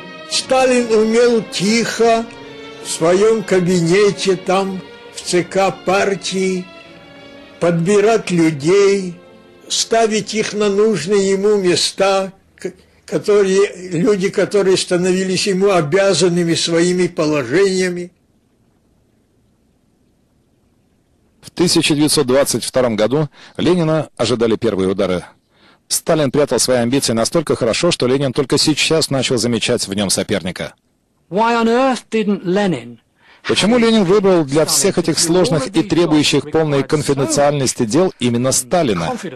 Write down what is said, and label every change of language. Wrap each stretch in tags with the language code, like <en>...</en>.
<ru>Сталин умел тихо в своем кабинете, там, в ЦК партии, подбирать людей, ставить их на нужные ему места, люди, которые становились ему обязанными своими положениями. В 1922 году Ленина ожидали первые удары. Сталин прятал свои амбиции настолько хорошо, что Ленин только сейчас начал замечать в нем соперника.</ru> <en>Why on earth didn't Lenin?</en> <ru>Почему Ленин выбрал для всех этих сложных и требующих полной конфиденциальности дел именно Сталина?</ru>